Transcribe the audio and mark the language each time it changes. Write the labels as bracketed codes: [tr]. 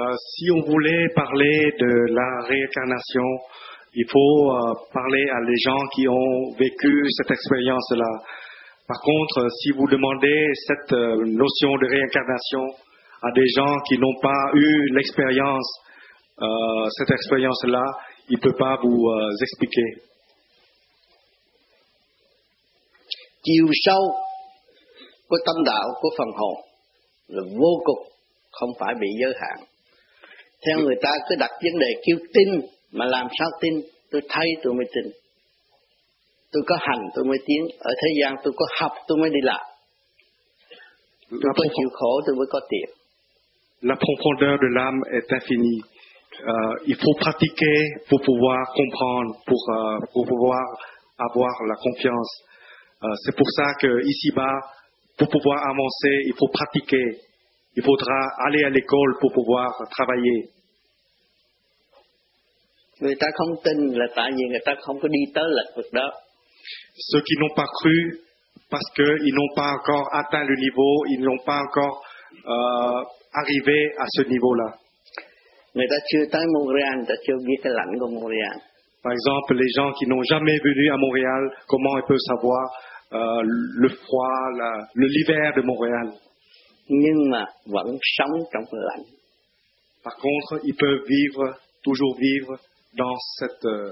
[fr] Si on voulait parler de la réincarnation, il faut parler à les gens qui ont vécu cette expérience là. Par contre, si vous demandez cette notion de réincarnation à des gens qui n'ont pas eu l'expérience, cette expérience-là, il ne peut pas vous expliquer. [vi] Chiều sâu của tâm đạo của phần hồn là vô cùng, không phải bị giới hạn. Theo người ta cứ đặt vấn đề kêu tin, mà làm sao tin? Tôi thấy tôi mới tin. Tôi có hành tôi mới tiến, ở thế gian tôi có học tôi mới đi làm. Tôi có chịu khổ tôi mới có tiền. [fr] La profondeur de l'âme est infinie. Il faut pratiquer pour pouvoir comprendre, pour pouvoir avoir la confiance. C'est pour ça que ici-bas, pour pouvoir avancer, il faut pratiquer. Il faudra aller à l'école pour pouvoir travailler. [vi] Người ta không tin là tại vì người ta không có đi tới lĩnh vực đó. [fr] Ceux qui n'ont pas cru parce qu'ils n'ont pas encore atteint le niveau, ils n'ont pas encore arrivé à ce niveau-là. [vi] Người ta chưa tới Montréal, người ta chưa biết cái lạnh của Montréal. [fr] Par exemple, les gens qui n'ont jamais venu à Montréal, comment ils peuvent savoir le froid, l'hiver de Montréal? [vi] Nhưng mà vẫn sống trong lạnh. [fr] Par contre, ils peuvent vivre, toujours vivre dans cette...